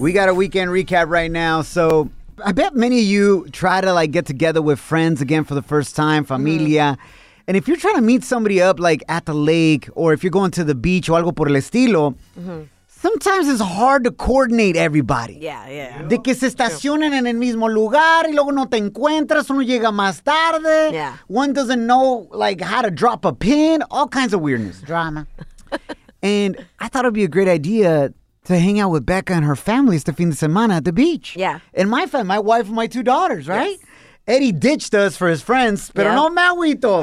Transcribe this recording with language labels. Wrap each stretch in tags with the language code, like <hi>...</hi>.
<en>We got a weekend recap right now. So I bet many of you try to like get together with friends again for the first time, familia. Mm-hmm. And if you're trying to meet somebody up like at the lake or if you're going to the beach</en> <es>o algo por el estilo,</es> <en>sometimes it's hard to coordinate everybody. Yeah.</en> <es>De que se estacionen en el mismo lugar y luego no te encuentras, uno llega más tarde.</es> <en>Yeah. One doesn't know like how to drop a pin, all kinds of weirdness. Drama. And I thought it'd be a great idea to hang out with Becca and her family</en> <es>este fin de semana</es> <en>at the beach. Yeah. And my family, my wife and my two daughters, right? Yes. Eddie ditched us for his friends,</en> <es>pero no me agüito.</es>